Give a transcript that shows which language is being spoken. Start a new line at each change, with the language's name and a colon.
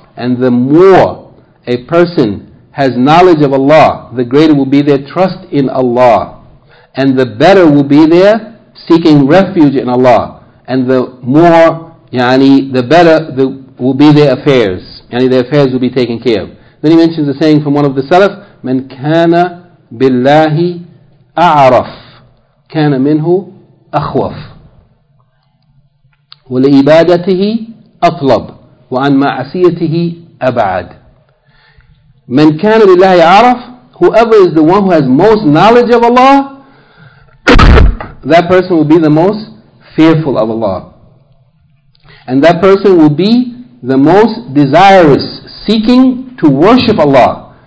English: And the more a person has knowledge of Allah, the greater will be their trust in Allah, and the better will be their seeking refuge in Allah, and the more, the better will be their affairs. Yani their affairs will be taken care of. Then he mentions a saying from one of the Salaf,
Arabic: مَنْ كَانَ بِاللَّهِ أَعْرَفْ كَانَ مِنْهُ أَخْوَفْ وَلِعِبَادَتِهِ أَطْلَبْ وَعَنْ مَعَسِيَتِهِ أَبْعَدْ. مَنْ كَانَ بِاللَّهِ أَعْرَفْ,
English: whoever is the one who has most knowledge of Allah, that person will be the most fearful of Allah. And that person will be the most desirous, seeking to worship Allah.